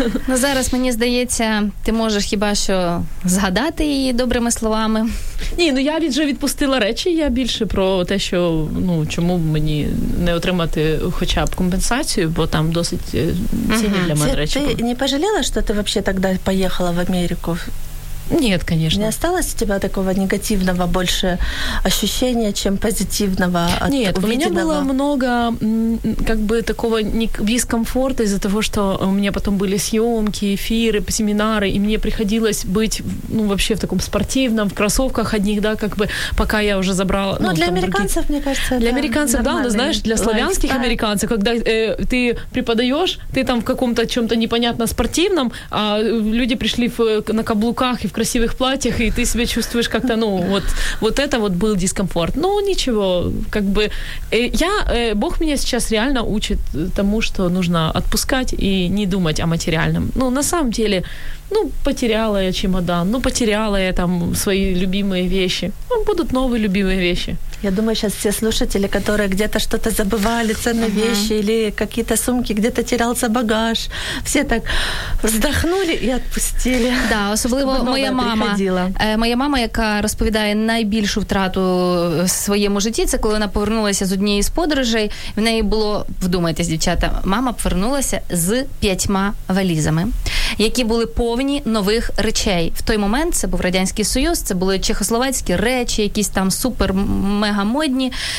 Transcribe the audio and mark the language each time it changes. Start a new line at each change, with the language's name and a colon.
Ukrainian: Ну, зараз, мені здається, ти можеш хіба що згадати її добрими словами. Ні, ну я вже відпустила речі, я більше про те, що, ну, чому мені не отримати хоча б компенсацію, бо там досить цінні для мене речі. Ти не пожаліла, що ти взагалі тоді поїхала в Америку?
Russian: Нет, конечно. Не осталось у тебя такого негативного больше ощущения, чем позитивного от Нет, увиденного? У меня было много как бы такого дискомфорта из-за того, что у меня потом были съемки, эфиры, семинары, и мне приходилось быть, ну, вообще в таком спортивном, в кроссовках одних, да, как бы, пока я уже забрала... Ну, для американцев, другие... мне кажется, для американцев, да, но знаешь, для славянских американцев, когда ты преподаешь, ты там в каком-то чем-то непонятно спортивном, а люди пришли на каблуках в красивых платьях, и ты себя чувствуешь как-то, ну, вот это вот был дискомфорт. Ну, ничего, как бы Бог меня сейчас реально учит тому, что нужно отпускать и не думать о материальном. Ну, на самом деле, ну, потеряла я чемодан, ну, потеряла я там свои любимые вещи. Ну, будут новые любимые вещи. Я думаю, сейчас все слушатели, которые где-то что-то забывали, ценные вещи, или какие-то сумки, где-то терялся багаж, все так вздохнули и отпустили.
Ukrainian: Да, особливо моя мама. Приходила. Моя мама, яка розповідає найбільшу втрату в своєму житті, це коли вона повернулася з однієї з подорожей, в неї було, вдумайтесь, дівчата, мама повернулася з 5 валізами, які були повні нових речей. В той момент це був Радянський Союз, це були чехословацькі речі, якісь там супер мегамодні.